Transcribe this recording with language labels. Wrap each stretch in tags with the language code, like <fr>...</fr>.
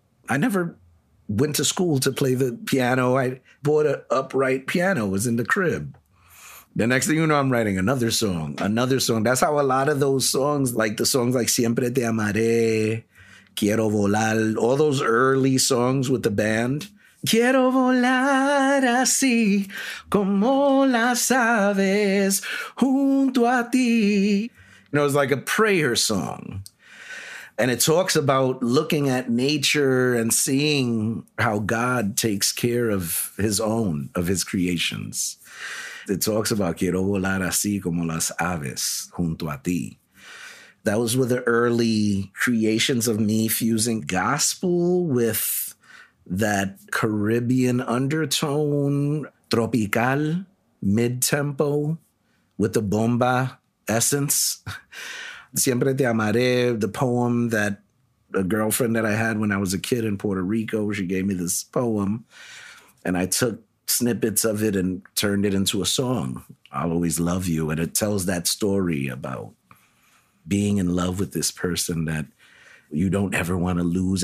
<en>I never went to school to play the piano. I bought an upright piano. It was in the crib. The next thing you know, I'm writing another song, another song. That's how a lot of those songs, like the songs like Siempre Te Amaré, Quiero Volar, all those early songs with the band.</en> <es>Quiero volar así como las aves junto a ti.</es> <en>You know, it's like a prayer song. And it talks about looking at nature and seeing how God takes care of his own, of his creations. It talks about</en> <es>quiero volar así como las aves junto a ti.</es> <en>Those were the early creations of me fusing gospel with that Caribbean undertone, tropical, mid-tempo, with the bomba essence. Siempre te amaré, the poem that a girlfriend that I had when I was a kid in Puerto Rico, she gave me this poem, and I took snippets of it and turned it into a song, I'll Always Love You, and it tells that story about being in love with this person that you don't ever want to lose.</en>